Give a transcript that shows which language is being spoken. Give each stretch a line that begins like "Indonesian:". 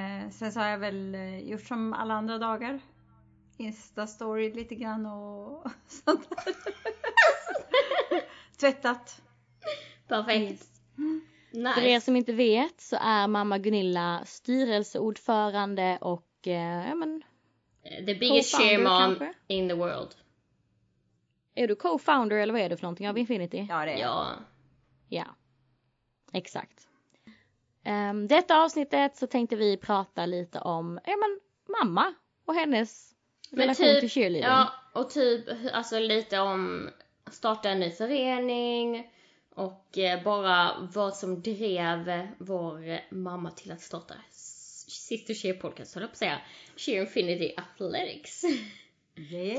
Swedish: Sen så har jag väl gjort som alla andra dagar. Insta-story lite grann och sånt där. Tvättat. Perfekt. Nice. För er som inte vet så är mamma Gunilla styrelseordförande och
English: the biggest cheer mom in the world.
Swedish: Är du co-founder eller vad är du för någonting av Infinity? Ja, det är. Ja. Ja. Exakt. Detta avsnittet så tänkte vi prata lite om mamma och hennes relation till cheerleading. Ja, och typ alltså lite om starta en ny förening och bara vad som drev vår mamma till att starta Sister Cheer Podcast, håller på att säga Cheer Infinity Athletics. Yeah.